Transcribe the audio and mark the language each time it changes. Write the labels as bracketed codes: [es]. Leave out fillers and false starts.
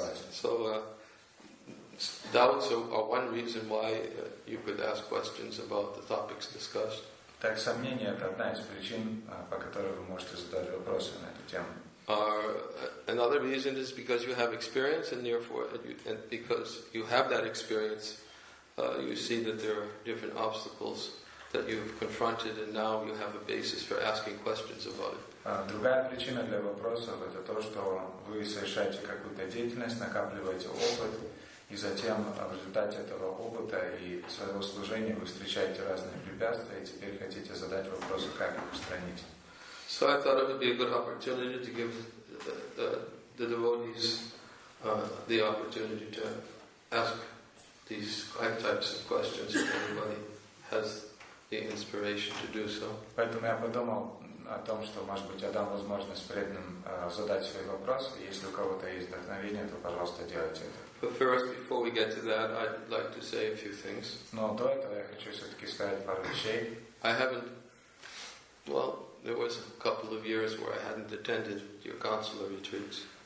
[en] So doubts are one reason why you could ask questions about the topics discussed. [ru] Так, сомнения — это одна из причин, по которой вы можете задать вопросы на эту тему. [en] Another reason is because you have experience, and therefore, and because you have that experience, you see that there are different obstacles that you've confronted, and now you have a basis for asking questions about it. [ru] Другая причина для вопросов — это то, что вы совершаете какую-то деятельность, накапливаете опыт, и затем в результате этого опыта и своего служения вы встречаете разные препятствия, и теперь хотите задать вопросы, как их устранить. [en] So I thought it would be a good opportunity to give the devotees the opportunity to ask these five types of questions if anybody has the inspiration to do so. [ru] Поэтому я подумал о том, что, может быть, я дам возможность преданным задать свои вопросы. Если у кого-то есть вдохновение, то, пожалуйста, делайте это. [en] But first, before we get to that, I'd like to say a few things. [ru] Но до этого я хочу все-таки сказать пару вещей. [en] There was a couple of years where I hadn't attended your counselor retreats.